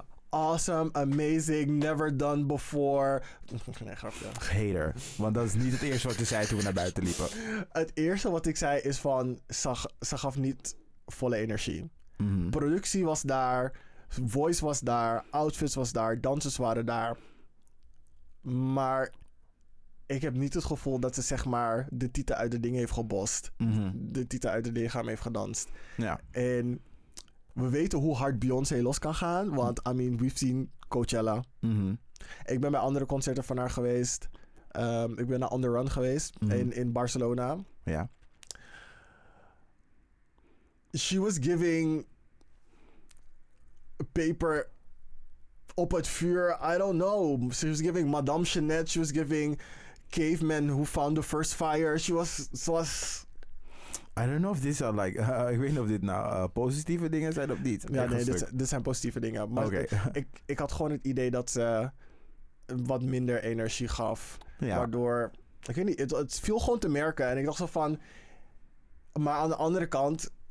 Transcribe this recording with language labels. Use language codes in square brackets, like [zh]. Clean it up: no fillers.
[en] Awesome, amazing, never done before. [nl] Nee, grapje. Hater. Want dat is niet het eerste wat je zei toen we naar buiten liepen. Het eerste wat ik zei is van... Ze gaf niet volle energie. Mm-hmm. Productie was daar. Voice was daar. Outfits was daar. Dansers waren daar. Maar ik heb niet het gevoel dat ze zeg maar... de tieten uit de ding heeft gebost. Mm-hmm. De tieten uit het lichaam heeft gedanst. Ja. En... we weten hoe hard Beyoncé los kan gaan. Want, [en] I mean, we've seen Coachella. [nl] Mm-hmm. Ik ben bij andere concerten van haar geweest. Ik ben naar On The Run geweest. Mm-hmm. In Barcelona. Ja. [en] She was giving... paper... [nl] op het vuur. [en] I don't know. She was giving Madame Jeanette. She was giving cavemen who found the first fire. She was... I don't know if these are like, [nl] ik weet niet of dit nou positieve dingen zijn of niet. Ja, nee, dit zijn positieve dingen. Maar [en] okay. [nl] ik had gewoon het idee dat ze wat minder energie gaf. Ja. Waardoor, ik weet niet, het viel gewoon te merken. En ik dacht zo van, maar aan de andere kant.